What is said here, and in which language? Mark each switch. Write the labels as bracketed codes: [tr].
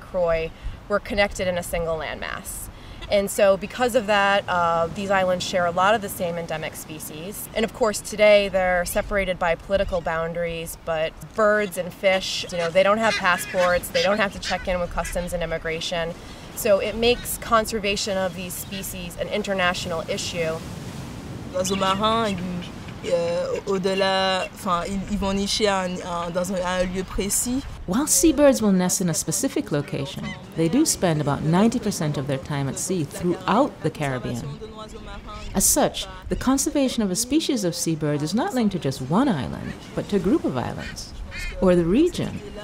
[en] Croix, were connected in a single landmass. And so because of that, these islands share a lot of the same endemic species. And of course, today they're separated by political boundaries, but birds and fish, you know, they don't have passports, they don't have to check in with customs and immigration. So it makes conservation of these species an international issue. [fr] L'oiseau marin, au-delà, enfin, ils vont nicher dans un lieu précis. [en] While seabirds will nest in a specific location, they do spend about 90% of their time at sea throughout the Caribbean. As such, the conservation of a species of seabird is not linked to just one island, but to a group of islands, or the region.